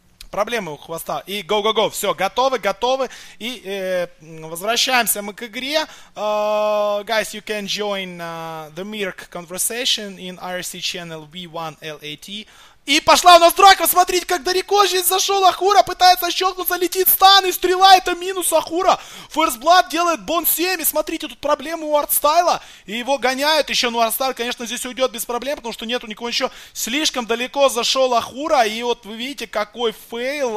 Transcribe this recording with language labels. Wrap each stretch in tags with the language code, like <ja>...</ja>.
<ru>Проблемы у Хвоста. И го-го-го. Все, готовы. И возвращаемся мы к игре.</ru> <en>Guys, you can join the Mirk conversation in IRC channel V1LAT.</en> <ru>И пошла у нас драка. Смотрите, как далеко здесь зашел Ахура. Пытается щелкнуться, летит стан. И стрела, это минус Ахура. First Blood делает бон 7. И смотрите, тут проблемы у Артстайла. И его гоняют еще. Ну, Артстайл, конечно, здесь уйдет без проблем, потому что нету никого еще. Слишком далеко зашел Ахура. И вот вы видите, какой фейл.</ru>